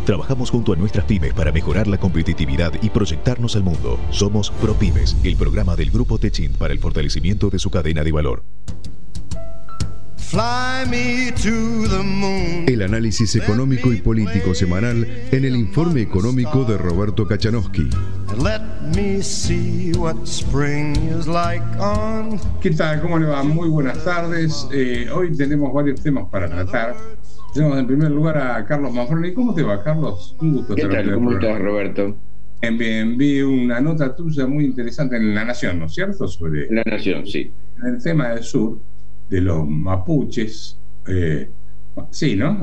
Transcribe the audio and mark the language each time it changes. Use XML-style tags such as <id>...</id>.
<es>Trabajamos junto a nuestras pymes para mejorar la competitividad y proyectarnos al mundo. Somos ProPymes, el programa del Grupo Techint para el fortalecimiento de su cadena de valor.</es> <en>Fly me to the moon.</en> <es>El análisis económico y político semanal en el informe económico de Roberto Kachanowski.</es> <en>Let me see what spring is like on.</en> <es>¿Qué tal? ¿Cómo le va? Muy buenas tardes. Hoy tenemos varios temas para tratar. Tenemos en primer lugar a Carlos Manfroni. ¿Cómo te va, Carlos? Un gusto estar aquí. ¿Cómo estás, Roberto? Vi una nota tuya muy interesante en La Nación, ¿no es cierto? Sobre La Nación, sí. En el tema del sur, de los mapuches. Sí, ¿no?</es>